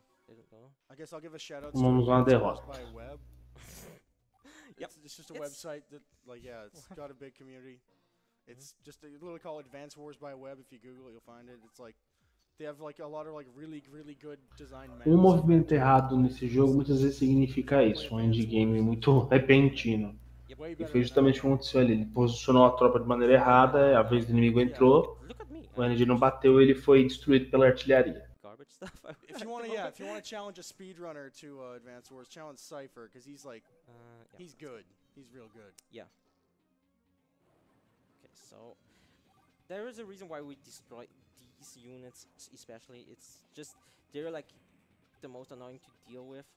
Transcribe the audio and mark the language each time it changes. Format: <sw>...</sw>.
<en>They don't know. I guess I'll give a shout out to by web. Yep. It's just a website that, like, yeah, it's got a big community. It's just a little call Advanced Wars by Web. If you Google it, you'll find it. It's like they have like a lot of like really really good design maps.</en> <pt>Movimento errado nesse jogo muitas vezes significa isso, endgame muito repentino. E foi justamente o que aconteceu ali. Ele posicionou a tropa de maneira errada, a vez do inimigo entrou, o energy não bateu, ele foi destruído pela artilharia.</pt> <en>If you want to, yeah, if you want to challenge a speedrunner to Advanced Wars, challenge Cypher, because he's like, he's good, he's real good. Yeah. Okay, so there is a reason why we destroy these units, especially. It's just they're like the most annoying to deal with.</en>